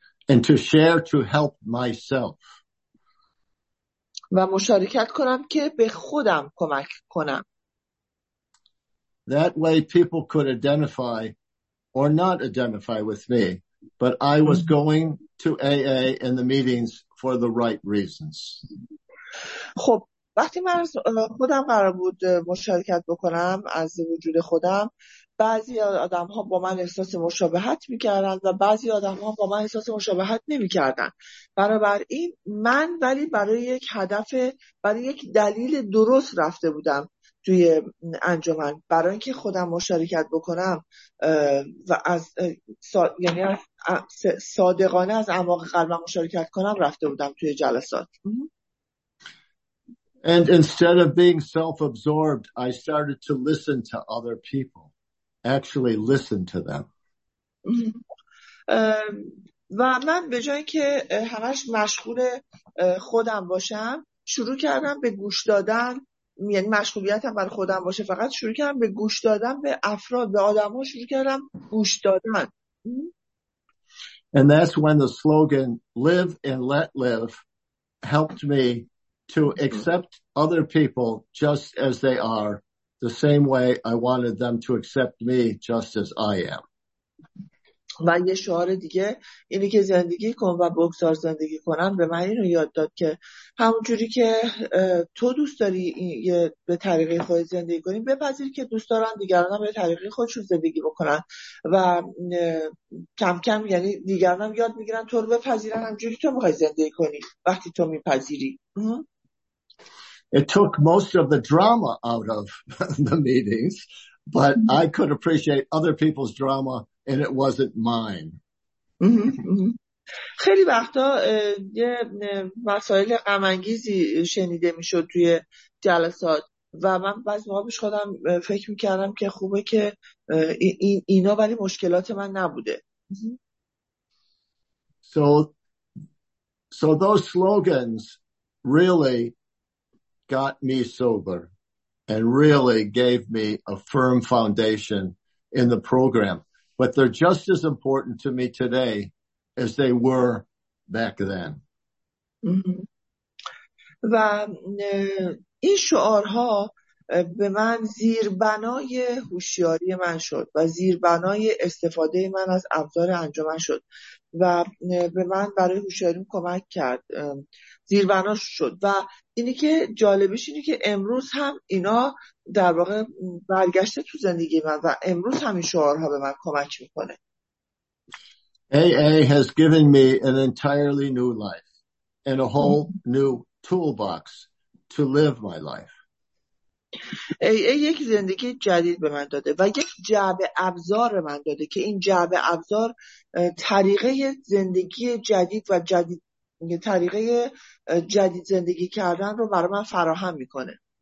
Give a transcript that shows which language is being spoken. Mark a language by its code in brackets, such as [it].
[en] And to share to help myself. [fa] و مشارکت کنم که به خودم کمک کنم. [en] That way people could identify or not identify with me, but I was going to AA and the meetings for the right reasons. [fa] خب وقتی من از خودم قرار بود مشارکت بکنم از وجود خودم، بعضی آدم ها با من احساس مشابهت میکردن و بعضی آدم ها با من احساس مشابهت نمیکردن. بنابراین من ولی برای یک هدف، برای یک دلیل درست رفته بودم توی انجمن، برای اینکه خودم مشارکت بکنم و از یعنی صادقانه از اعماق قلبم مشارکت کنم رفته بودم توی جلسات. [en] And instead of being self-absorbed, I started to listen to other people, actually listen to them. [fa] و من به جای که همش مشغول خودم باشم، شروع کردم به گوش دادن یعنی مشغولیتم برای خودم باشه، فقط شروع کردم به گوش دادن به افراد، به آدم ها شروع کردم گوش دادن. [en] And that's when the slogan live and let live helped me to accept other people just as they are, the same way I wanted them to accept me just as I am. [fa] و یه شعار دیگه اینه که زندگی کن و بگذار زندگی کنم به من اینو یاد داد که همونجوری که تو دوست داری به طریقه خود زندگی کنی، بپذیر که دوست دارن دیگران هم به طریقه خودشون زندگی بکنن و کم کم یعنی دیگران هم یاد میگیرن تو رو بپذیرن همجوری تو میخوای زندگی کنی وقتی تو میپذیری. [en] It took most of the drama out of the meetings, but I could appreciate other people's drama and it wasn't mine. [fa] خیلی وقتا یه مسائل غم انگیزی شنیده میشد توی جلسات و من بعضی موقع پیش خودم فکر میکردم که خوبه که اینا ولی مشکلات من نبوده. [en] So those slogans really got me sober and really gave me a firm foundation in the program. But they're just as important to me today as they were back then. [fa] و این شعارها به من زیربنای هوشیاری من شد و زیربنای استفاده من از ابزار انجمن شد و به من برای هوشیاری کمک کرد، زیربناش شد. و اینی که جالبش اینه که امروز هم اینا در واقع برگشته تو زندگی من و امروز همین شعارها به من کمک میکنه. [en] AA has given me an entirely new life and a whole new toolbox to live my life. [fa] AA یک زندگی جدید به من داده و یک جعبه ابزار به من داده که این جعبه ابزار طریقه زندگی جدید و جدید طریقه جدید زندگی کردن رو برای من فراهم میکنه.